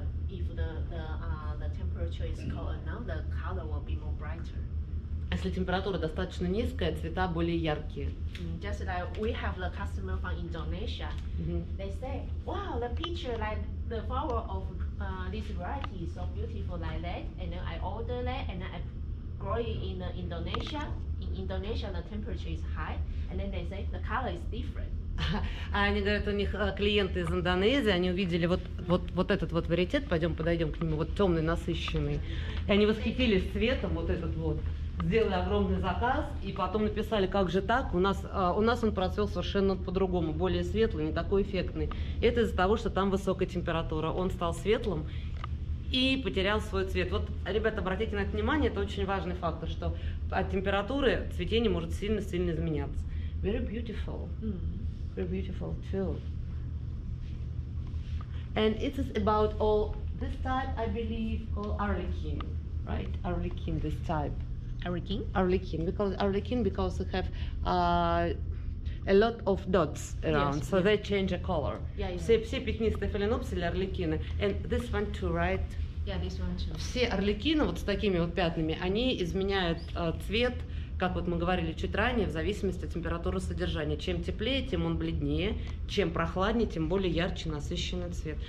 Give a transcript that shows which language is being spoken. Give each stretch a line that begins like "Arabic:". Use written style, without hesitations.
English: If the temperature is cold enough, the color will be more brighter.
Russian: Если температура достаточно низкая, цвета более яркие.
English: Just like we have the customer from Indonesia, they say, wow, the picture like the flower of this variety is so beautiful like that, and then I order that and then I grow it in Indonesia. In Indonesia, the temperature is high, and then they say the color is different.
Russian: А они говорят, у них клиенты из Индонезии, они увидели вот этот вот варитет, пойдем подойдем к нему, вот темный, насыщенный. И они восхитились цветом, вот этот вот, сделали огромный заказ, и потом написали, как же так, у нас он процвел совершенно по-другому, более светлый, не такой эффектный. И это из-за того, что там высокая температура, он стал светлым и потерял свой цвет. Вот, ребята, обратите на это внимание, это очень важный фактор, что от температуры цветение может сильно-сильно изменяться.
English: Very beautiful. Very beautiful too. And it is about all this type, I believe, called arlekin, right? Arlekin, this type. Arlekin? Arlekin, because they have a lot of dots around, yes, so they change the color. Yeah, yeah.
Russian: Все пятнистые фаленопсисы, арлекины.
English: And this one too, right? Yeah, this one too.
Russian: Все арлекины вот с такими вот пятнами, они изменяют цвет. Как вот мы говорили чуть ранее, в зависимости от температуры содержания. Чем теплее, тем он бледнее, чем прохладнее, тем более ярче насыщенный цвет.